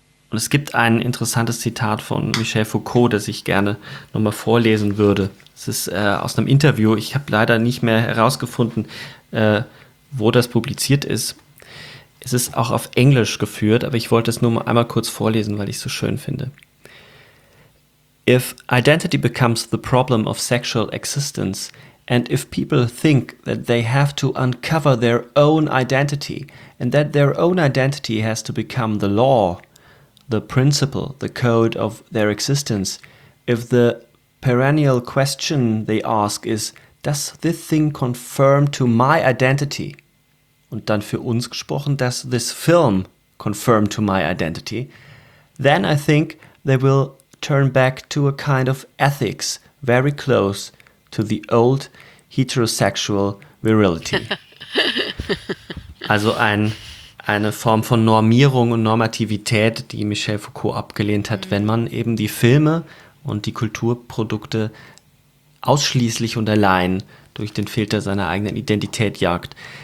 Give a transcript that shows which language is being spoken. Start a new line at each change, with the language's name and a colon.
German: Und es gibt ein interessantes Zitat von Michel Foucault, das ich gerne nochmal vorlesen würde. Es ist aus einem Interview. Ich habe leider nicht mehr herausgefunden, wo das publiziert ist. Es ist auch auf Englisch geführt, aber ich wollte es nur mal einmal kurz vorlesen, weil ich es so schön finde.
English: If identity becomes the problem of sexual existence, and if people think that they have to uncover their own identity and that their own identity has to become the law, the principle, the code of their existence, if the perennial question they ask is, does this thing conform to my identity?
German: Und dann für uns gesprochen,
English: does this film conform to my identity? Then I think they will turn back to a kind of ethics very close to the old heterosexual virility.
German: Also eine Form von Normierung und Normativität, die Michel Foucault abgelehnt hat, wenn man eben die Filme und die Kulturprodukte ausschließlich und allein durch den Filter seiner eigenen Identität jagt.